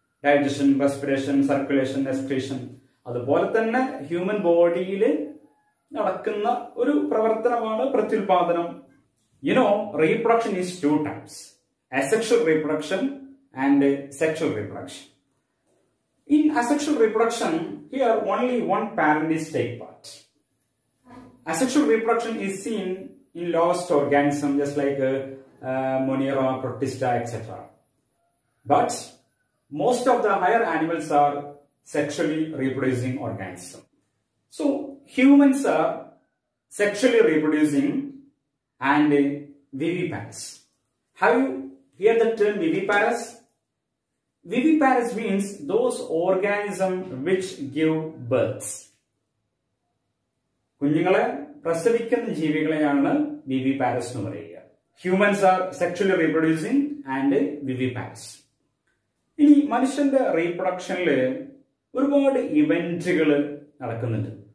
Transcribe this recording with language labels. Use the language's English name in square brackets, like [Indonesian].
[Malayalam] Digestion, respiration, circulation, excretion, അതുപോലെ തന്നെ human ബോഡിയിൽ നടക്കുന്ന ഒരു പ്രവർത്തനമാണ് പ്രത്യുൽപാദനം. [English] You know reproduction is two types, asexual reproduction and sexual reproduction. In asexual reproduction here only one parent is take part. Asexual reproduction is seen in lost organism just like Monera, Protista, etc. But most of the higher animals are sexually reproducing organism. So humans are sexually reproducing and viviparous. Have you heard the term viviparous? Viviparous means those organisms which give births. [Malayalam] കുഞ്ഞുങ്ങളെ പ്രസവിക്കുന്ന ജീവികളെയാണ് viviparous എന്ന് പറയുക. [English] Humans are sexually reproducing and viviparous. [Malayalam] ഇനി മനുഷ്യന്റെ റീപ്രൊഡക്ഷനിൽ ഒരുപാട് ഇവന്റുകൾ നടക്കുന്നുണ്ട്.